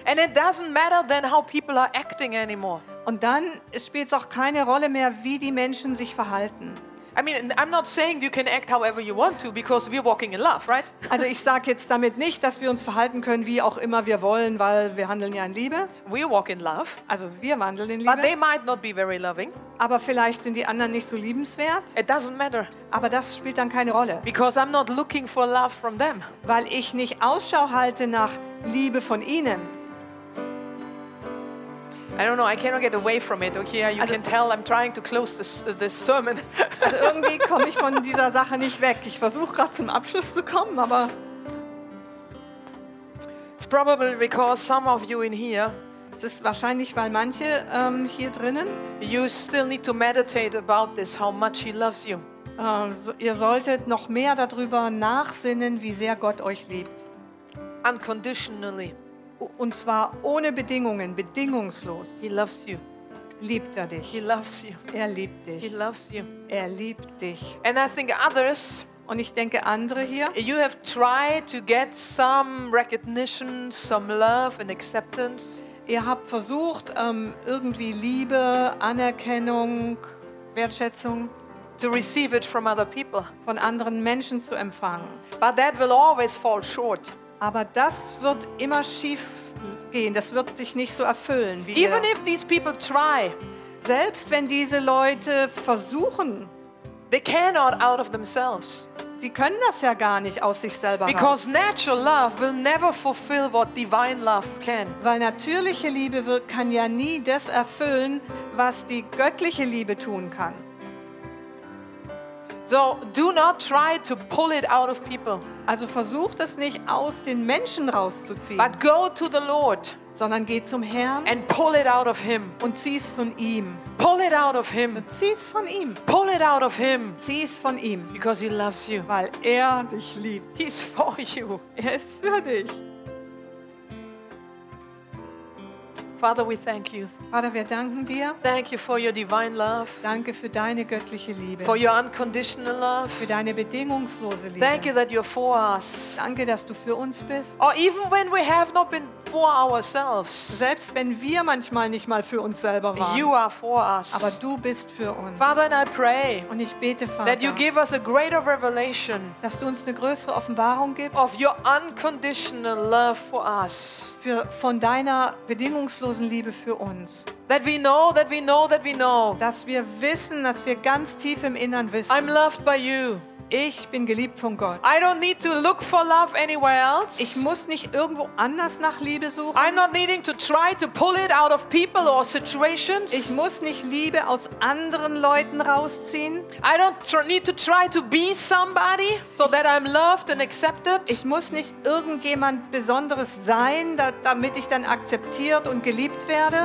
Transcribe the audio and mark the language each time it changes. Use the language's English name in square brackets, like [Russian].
[English] And it doesn't matter then how people are acting anymore. [German] Und dann spielt es auch keine Rolle mehr, wie die Menschen sich verhalten. [English] I mean, I'm not saying you can act however you want to, because we're walking in love, right? [German] Also ich sage jetzt damit nicht, dass wir uns verhalten können, wie auch immer wir wollen, weil wir handeln ja in Liebe. [English] We walk in love. [German] Also wir wandeln in [English] But But they might not be very loving. [German] Aber vielleicht sind die anderen nicht so liebenswert. [English] It doesn't matter. [German] Aber das spielt dann keine Rolle. [English] Because I'm not looking for love from them. [German] Weil ich nicht Ausschau halte nach Liebe von ihnen. [English] I don't know, I cannot get away from it. Okay, you can tell I'm trying to close this sermon. [German] Also irgendwie komme ich von dieser Sache nicht weg. Ich versuche gerade zum Abschluss zu kommen, aber [English] it's probably because some of you in here, [German] es ist wahrscheinlich, weil manche hier drinnen, [English] you still need to meditate about this, how much he loves you. [German] Ihr solltet noch mehr darüber nachsinnen, wie sehr Gott euch liebt. [English] Unconditionally. [German] Und zwar ohne Bedingungen, bedingungslos. [English] He loves you. [German] Liebt er dich. [English] He loves you. [German] Er liebt dich. [English] He loves you. [German] Er liebt dich. [English] And I think others, [German] und ich denke andere hier, [English] you have tried to get some recognition, some love and acceptance. [German] Ihr habt versucht, irgendwie Liebe, Anerkennung, Wertschätzung [English] to receive it from other people. [German] Von anderen Menschen zu empfangen. [English] But that will always fall short. [German] Aber das wird immer schief gehen. Das wird sich nicht so erfüllen. Wie [English] Even if these people try, [German] selbst wenn diese Leute versuchen, [English] they cannot out of themselves. [German] Sie können das ja gar nicht aus sich selber [English] Because [German] rausgehen. [English] Natural love will never fulfill what divine love can. [German] Weil natürliche Liebe kann ja nie das erfüllen, was die göttliche Liebe tun kann. [English] So do not try to pull it out of people. [German] Also versucht es nicht aus den Menschen rauszuziehen. [English] But go to the Lord, [German] sondern geht zum Herrn [English] and pull it out of him. [German] Und zieh es von ihm. [English] Pull it out of him. [German] Also zieh es von ihm. [English] Pull it out of him. [German] Zieh es von ihm. [English] Because he loves you. [German] Weil er dich liebt. [English] He's for you. [German] Er ist für dich. [English] Father, we thank you. [German] Vater, wir danken dir. [English] Thank you for your divine love. [German] Danke für deine göttliche Liebe. [English] For your unconditional love. [German] Für deine bedingungslose Liebe. [English] Thank you that you're for us. [German] Danke, dass du für uns bist. [English] Or even when we have not been for ourselves. [German] Selbst wenn wir manchmal nicht mal für uns selber waren. [English] You are for us. [German] Aber du bist für uns. [English] Father, and I pray. [German] Und ich bete, Vater, [English] that you give us a greater revelation. [German] Dass du uns eine größere Offenbarung gibst. [English] Of your unconditional love for us. [German] Von deiner bedingungslosen Liebe für uns. [English] That we know, that we know, that we know. [German] Dass wir wissen, dass wir ganz tief im Innern wissen. [English] I'm loved by you. [German] Ich bin geliebt von Gott. [English] I don't need to look for love anywhere else. [German] Ich muss nicht irgendwo anders nach Liebe suchen. [English] I'm not needing to try to pull it out of people or situations. [German] Ich muss nicht Liebe aus anderen Leuten rausziehen. [English] I don't need to try to be somebody so that I'm loved and accepted. [German] Ich muss nicht irgendjemand Besonderes sein, damit ich dann akzeptiert und geliebt werde.